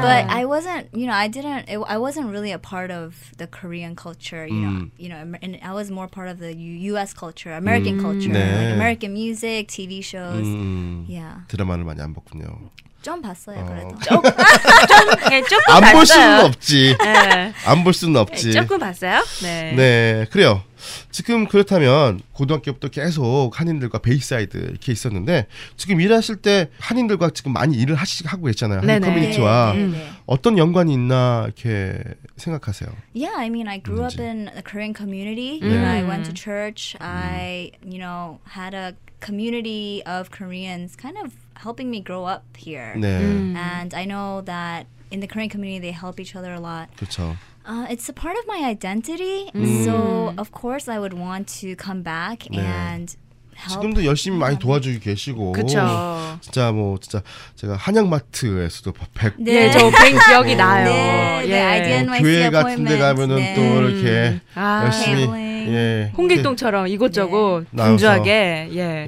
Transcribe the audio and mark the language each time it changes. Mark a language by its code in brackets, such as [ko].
[en] But I wasn't, you know, I wasn't really a part of the Korean culture. You know, and I was more part of the U.S. culture, American culture, [ko] 네. [en] like American music, TV shows. Yeah. [ko] 드라마를 많이 안 봤군요. 좀 봤어요, 그래도. 조금 안 볼 수는 없지. 안 볼 수는 없지. 조금 봤어요. 네. 네, 그래요. 지금 그렇다면 고등학교부터 계속 한인들과 베이사이드 이렇게 있었는데 지금 일하실 때 한인들과 지금 많이 일을 하시고 있잖아요. 한인 네네. 커뮤니티와 어떤 연관이 있나 이렇게 생각하세요? [en] Yeah, I mean, I grew [ko] 있는지. [en] up in a Korean community. You know, I went to church. I, you know, had a community of Koreans kind of helping me grow up here. [ko] 네. [en] And I know that in the Korean community, they help each other a lot. [ko] 그렇죠. [en] It's a part of my identity. So, of course, I would want to come back 네. and help. [ko] 지금도 열심히 많이 도와주고 계시고. 그렇죠. 진짜 뭐 진짜 제가 한양마트에서도 100 네, 저 100 기억이 나요. 네, 네. IDNYC 교회 같은 데 가면은 네. 또 이렇게 열심히 예. 홍길동처럼 이곳저곳 네. 분주하게 예.